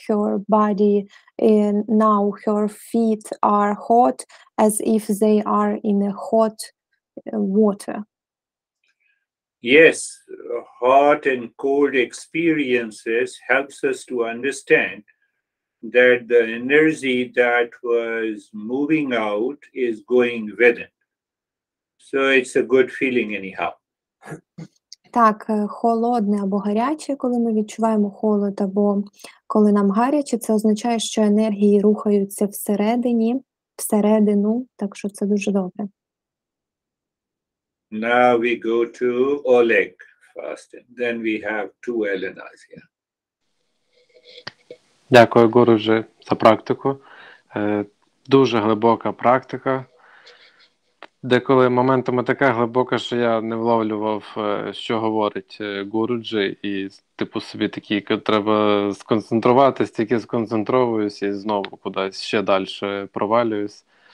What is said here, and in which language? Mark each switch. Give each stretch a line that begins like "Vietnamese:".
English: Her body and now her feet are hot, as if they are in a hot water. Yes, hot and cold experiences helps us to understand that the energy that was moving out is going within. So it's a good feeling anyhow.
Ukrainian: Так, холодне або гаряче, коли ми відчуваємо холод, або коли нам гаряче, це означає, що енергії рухаються всередину, так що це дуже добре.
English: Now we go to Oleg first, and then we have two Elenas here.
Ukrainian: Дякую, Гуруджі, за практику. Дуже глибока практика. Деколи моментами така глибока, що я не вловлював, що говорить Гуруджі, і типу собі такий, що треба сконцентруватись, тільки сконцентровуюся і знову кудись ще далі провалююсь.